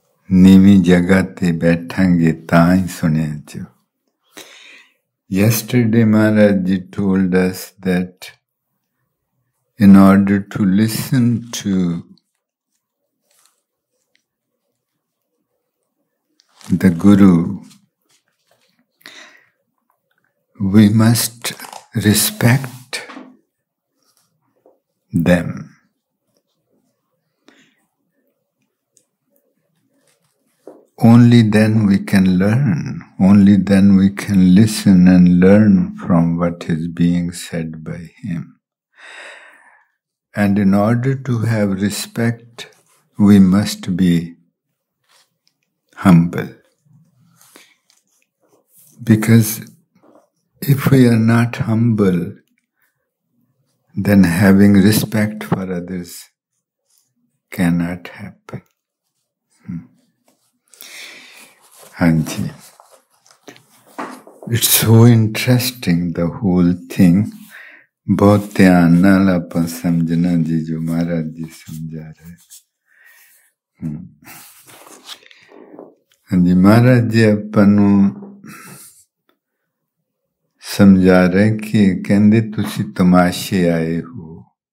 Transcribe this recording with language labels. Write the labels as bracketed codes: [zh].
[pa] ਨੀਵੀਂ ਜਗ੍ਹਾ 'ਤੇ ਬੈਠਾਂਗੇ ਤਾਂ ਹੀ ਸੁਣਿਆ ਜੋ [en] Yesterday Maharaj ji told us that in order to listen to the guru we must respect them Only then we can learn, only then we can listen and learn from what is being said by him. And in order to have respect, we must be humble. Because if we are not humble, then having respect for others cannot happen. [pa] ਹਾਂਜੀ [en] it's so interesting the whole thing [pa] ਬਹੁਤ ਧਿਆਨ ਨਾਲ ਆਪਾਂ ਸਮਝਣਾ ਜੀ ਜੋ ਮਹਾਰਾਜ ਜੀ ਸਮਝਾ ਰਹੇ ਹਾਂਜੀ ਮਹਾਰਾਜ ਜੀ ਆਪਾਂ ਨੂੰ ਸਮਝਾ ਰਹੇ ਕਿ ਕਹਿੰਦੇ ਤੁਸੀਂ ਤਮਾਸ਼ੇ ਆਏ ਹੋ